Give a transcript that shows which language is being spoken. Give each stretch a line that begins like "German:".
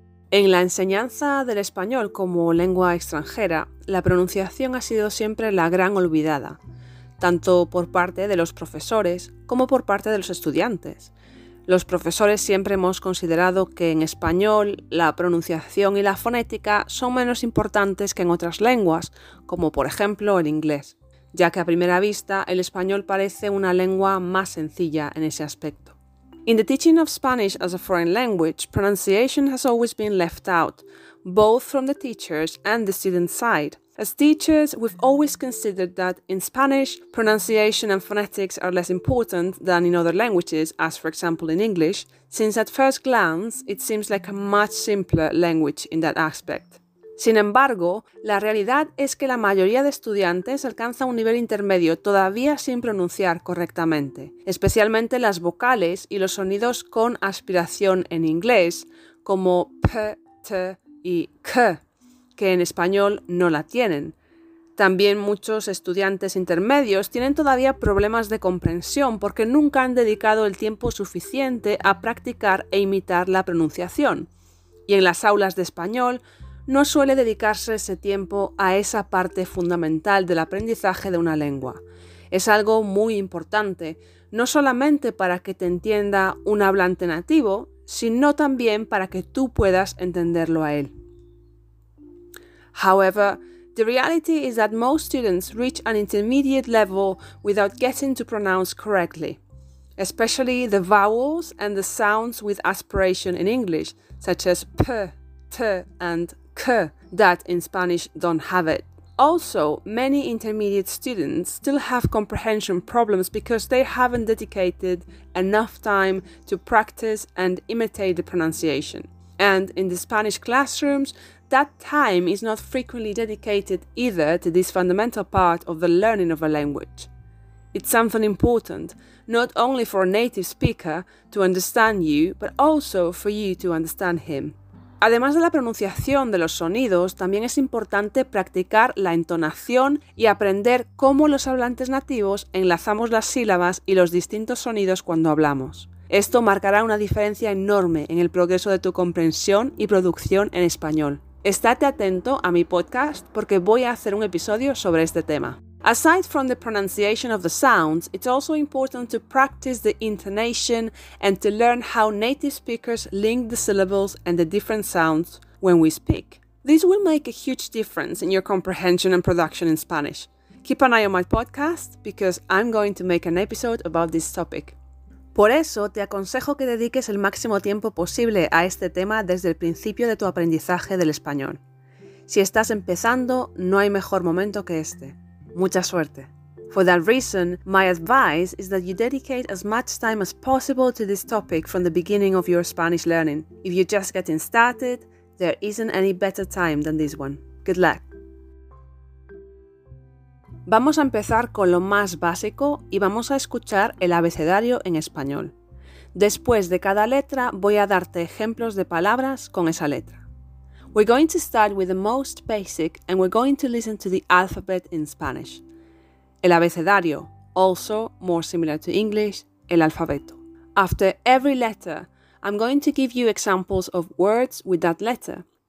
Spanish: En la enseñanza del español como lengua extranjera, la pronunciación ha sido siempre la gran olvidada, tanto por parte de los profesores como por parte de los estudiantes. Los profesores siempre hemos considerado que en español la pronunciación y la fonética son menos importantes que en otras lenguas, como por ejemplo el inglés, ya que a primera vista el español parece una lengua más sencilla en ese aspecto.
English: In the teaching of Spanish as a foreign language, pronunciation has always been left out, both from the teachers and the student side. As teachers, we've always considered that in Spanish, pronunciation and phonetics are less important than in other languages, as for example in English, since at first glance it seems like a much simpler language in that aspect.
Spanish: Sin embargo, la realidad es que la mayoría de estudiantes alcanza un nivel intermedio todavía sin pronunciar correctamente, especialmente las vocales y los sonidos con aspiración en inglés, como p, t y k, que en español no la tienen. También muchos estudiantes intermedios tienen todavía problemas de comprensión porque nunca han dedicado el tiempo suficiente a practicar e imitar la pronunciación. Y en las aulas de español no suele dedicarse ese tiempo a esa parte fundamental del aprendizaje de una lengua. Es algo muy importante, no solamente para que te entienda un hablante nativo, sino también para que tú puedas entenderlo a él.
English: However, the reality is that most students reach an intermediate level without getting to pronounce correctly, especially the vowels and the sounds with aspiration in English, such as p, t, and k, that in Spanish don't have it. Also, many intermediate students still have comprehension problems because they haven't dedicated enough time to practice and imitate the pronunciation. And in the Spanish classrooms, that time is not frequently dedicated either to this fundamental part of the learning of a language. It's something important, not only for a native speaker to understand you, but also for you to understand him.
Spanish: Además de la pronunciación de los sonidos, también es importante practicar la entonación y aprender cómo los hablantes nativos enlazamos las sílabas y los distintos sonidos cuando hablamos. Esto marcará una diferencia enorme en el progreso de tu comprensión y producción en español. Estate atento a mi podcast porque voy a hacer un episodio sobre este tema.
English: Aside from the pronunciation of the sounds, it's also important to practice the intonation and to learn how native speakers link the syllables and the different sounds when we speak. This will make a huge difference in your comprehension and production in Spanish. Keep an eye on my podcast because I'm going to make an episode about this topic.
Spanish: Por eso, te aconsejo que dediques el máximo tiempo posible a este tema desde el principio de tu aprendizaje del español. Si estás empezando, no hay mejor momento que este. Mucha suerte.
English: For that reason, my advice is that you dedicate as much time as possible to this topic from the beginning of your Spanish learning. If you're just getting started, there isn't any better time than this one. Good luck.
Spanish: Vamos a empezar con lo más básico y vamos a escuchar el abecedario en español. Después de cada letra, voy a darte ejemplos de palabras con esa letra.
English: We're going to start with the most basic and we're going to listen to the alphabet in Spanish.
Spanish: El abecedario,
English: also more similar to English,
Spanish: el alfabeto.
English: After every letter, I'm going to give you examples of words with that letter.